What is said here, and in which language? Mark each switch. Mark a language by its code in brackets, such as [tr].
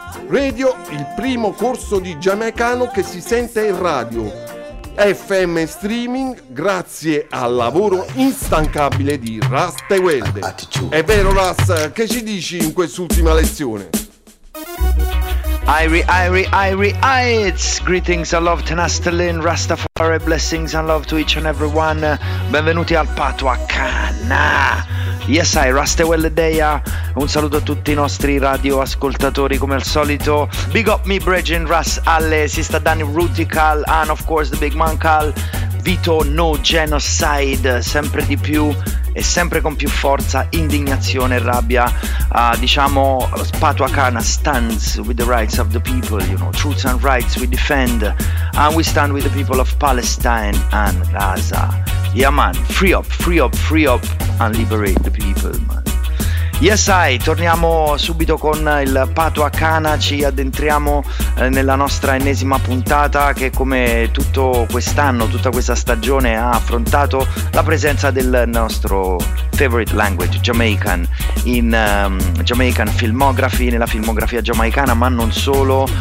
[it] Radio, il primo corso di giamaicano che si sente in radio. FM streaming grazie al lavoro instancabile di Rasta e Welde. È vero Ras, che ci dici in quest'ultima lezione? [en] Irie, greetings and love to Nastalin, Rastafari, blessings and love to each and everyone. [it] Benvenuti al Patuacana. [en] Yes, [it] I Rasta Welde Deia. Un saluto a tutti i nostri radioascoltatori come al solito. [en] Big up me, Bregin, Ras, Ale, Sista Dani, Rutical, and of course the Big Man Cal, Vito, No Genocide, [it] sempre di più e sempre con più forza, indignazione e rabbia, diciamo [en] Patuacana stands with the rights of the people, you know, truths and rights we defend, and we stand with the people of Palestine and Gaza. Yeah man, free up and liberate the people, man. Yes I, [it] torniamo subito con il Patuacana, ci addentriamo nella nostra ennesima puntata che come tutto quest'anno, tutta questa stagione ha affrontato la presenza del nostro [en] favorite language, [it] Jamaican, [en] in Jamaican filmography, [it] nella filmografia giamaicana, ma non solo.